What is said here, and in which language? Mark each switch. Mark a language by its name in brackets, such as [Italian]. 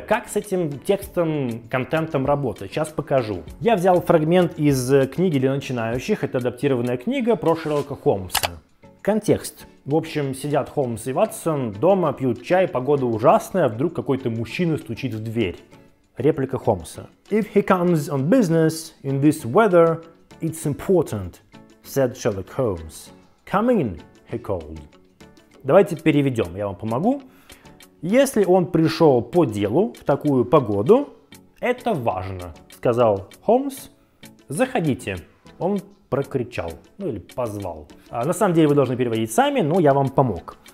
[Russian] Как с этим текстом, контентом работать? Сейчас покажу. Я взял фрагмент из книги для начинающих. Это адаптированная книга про Шерлока Холмса. Контекст. В общем, сидят Холмс и Ватсон дома, пьют чай, погода ужасная, вдруг какой-то мужчина стучит в дверь. Реплика Холмса. [English] If he comes on business in this weather, it's important. Said Sherlock Holmes. Come in, he called. [Russian] Давайте переведем, я вам помогу. Если он пришел по делу в такую погоду, это важно, сказал Холмс. Заходите. Он прокричал, ну или позвал. На самом деле вы должны переводить сами, но я вам помог.